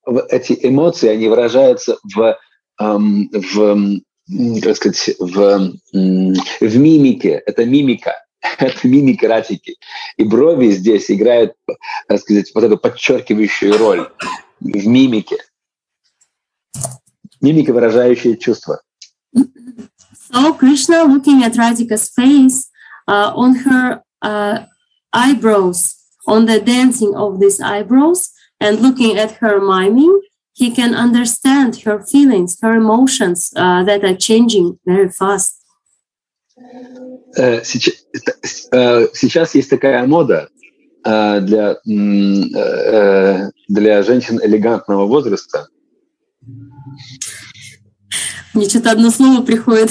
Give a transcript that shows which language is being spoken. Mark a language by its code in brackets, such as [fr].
[ru] Эти эмоции, они выражаются в мимике. Это мимика. Это мимика Радхики. И брови здесь играют, так сказать, вот эту подчеркивающую роль в мимике. Мимика, выражающая чувства. [en] So Krishna, looking at Radhika's face, on her eyebrows, on the dancing of these eyebrows, and looking at her miming, he can understand her feelings, her emotions that are changing very fast. [ru] Сейчас есть такая мода для женщин элегантного возраста. Мне что-то одно слово приходит.